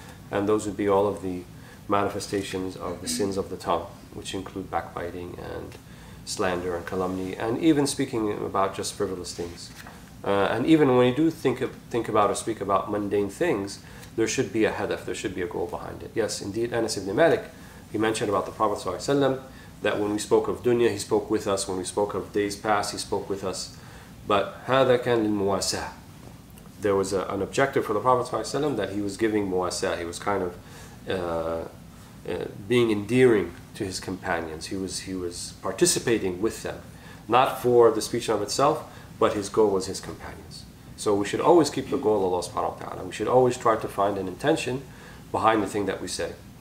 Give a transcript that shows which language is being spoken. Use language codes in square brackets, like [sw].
[en] And those would be all of the manifestations of the sins of the tongue, which include backbiting and slander and calumny, and even speaking about just frivolous things. And even when you do think about or speak about mundane things, there should be a hadaf, there should be a goal behind it. Yes, indeed, Anas ibn Malik, he mentioned about the Prophet Sallallahu Alaihi Wasallam, that when we spoke of dunya, he spoke with us. When we spoke of days past, he spoke with us. [ar] But هَذَا كَانْ لِلْمُوَاسَةِ. [en] There was an objective for the Prophet Sallallahu Alaihi Wasallam that he was giving muwasah. He was kind of being endearing to his companions. He was participating with them. Not for the speech of itself, but his goal was his companions. So we should always keep the goal of Allah subhanahu wa ta'ala. We should always try to find an intention behind the thing that we say.